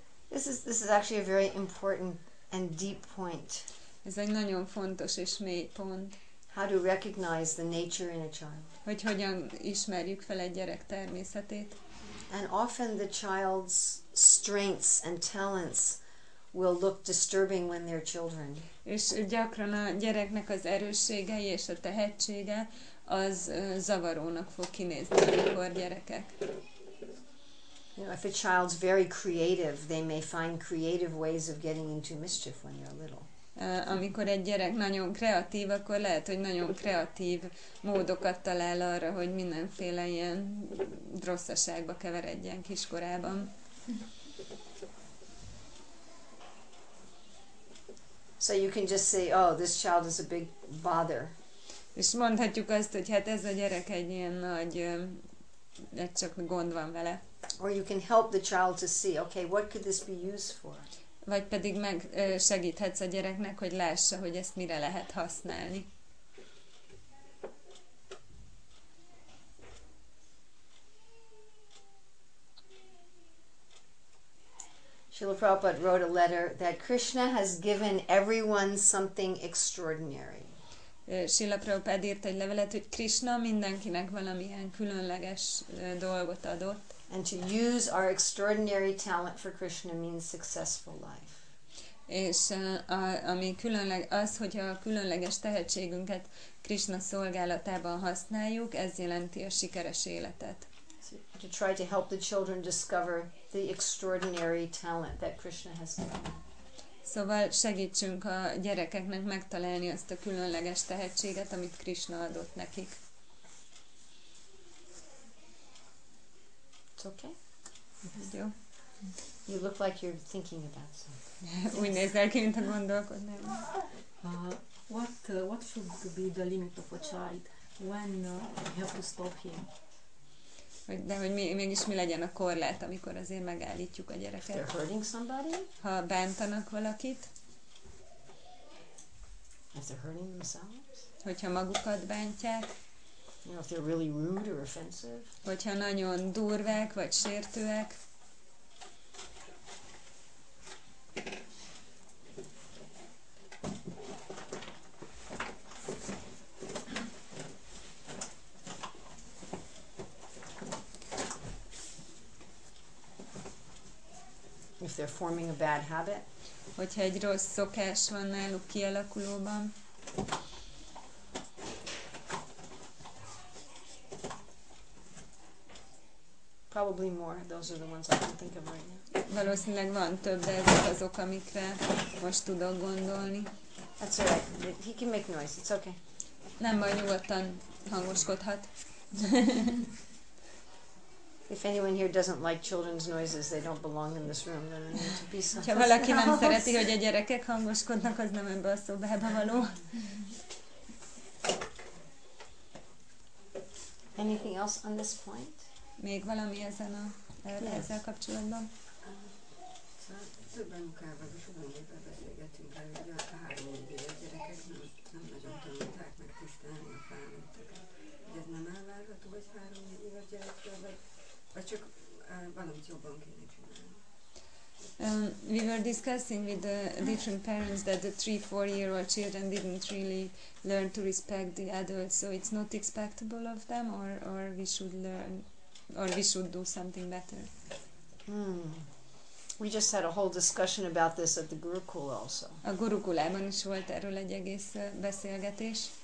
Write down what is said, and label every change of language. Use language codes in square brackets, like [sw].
[en] This is actually a very important and deep point. [hu] Ez egy nagyon fontos és mély pont. [en] How to recognize the nature in a child. [hu] Hogy hogyan ismerjük fel egy gyerek természetét. [en] And often the child's strengths and talents will look disturbing when they're children. [hu] És gyakran a gyereknek az erősségei és a tehetsége az zavarónak fog kinézni, amikor gyerekek. [en] You know, if a child's very creative, they may find creative ways of getting into mischief when they're little. [hu] Amikor egy gyerek nagyon kreatív, akkor lehet, hogy nagyon kreatív módokat talál arra, hogy mindenféle ilyen drosszaságba keveredjen kiskorában. [en] So you can just say, oh, this child is a big bother. [hu] És mondhatjuk azt, hogy hát ez a gyerek egy ilyen nagy, egy csak gond van vele. [en] Or you can help the child to see, okay, what could this be used for? [hu] Vagy pedig meg segíthetsz a gyereknek, hogy lássa, hogy ezt mire lehet használni. [en] Srila Prabhupada wrote a letter that Krishna has given everyone something extraordinary. [hu] Srila Prabhupada írt egy levelet, hogy Krishna mindenkinek valamilyen különleges dolgot adott. [en] And to use our extraordinary talent for Krishna means successful life. [hu] És ami különleg az, hogyha a különleges tehetségünket Krishna szolgálatában használjuk, ez jelenti a sikeres életet. [en] So, to try to help the children discover the extraordinary talent that Krishna has given. [hu] Szóval segítsünk a gyerekeknek megtalálni azt a különleges tehetséget, amit Krishna adott nekik. [en] It's okay. [hu] Jó. [en] You look like you're thinking about something. [hu] Úgy nézel ki, mint a gondolkodnál. [en] What should be the limit of a child when you have to stop him? [hu] De hogy mégis mi legyen a korlát, amikor azért megállítjuk a gyereket. [en] They're hurting somebody? [hu] Ha bántanak valakit. [en] If they're hurting themselves? [hu] Hogyha magukat bántják. [en] You know, if they're really rude or offensive? [hu] Hogyha nagyon durvák vagy sértőek. [en] If they're forming a bad habit. [hu] Hogyha egy rossz szokás van náluk kialakulóban. [en] Probably more. Those are the ones I can think of right now. [hu] Valószínűleg van több, de ezek azok, amikre most tudok gondolni. [en] That's all right. He can make noise. It's okay. [hu] Nem baj, nyugodtan hangoskodhat. [en] If anyone here doesn't like children's noises, they don't belong in this room. They need to be somewhere. [hu] Ha valaki nem szereti, hogy a gyerekek hangoskodnak, az nem ebbe a szobába való. [en] Anything else on this point? [hu] Még valami ezen a ezzel kapcsolatban? Többen munkával is olyan éppen beszélgettünk el, hogy a három évvel a gyerekek nem nagyon tanulták meg tisztelni a felnőtteket. Ez nem elvárható, hogy három évvel a gyerekkel, vagy csak valamit jobban kéne csinálni? [en] We were discussing with the different parents that the 3-4-year-old children didn't really learn to respect the adults, so it's not expectable of them, or we should learn, or we should do something better. Hmm. We just had a whole discussion about this at the Gurukul also. [hu] A Gurukulában is volt erről egy egész beszélgetés.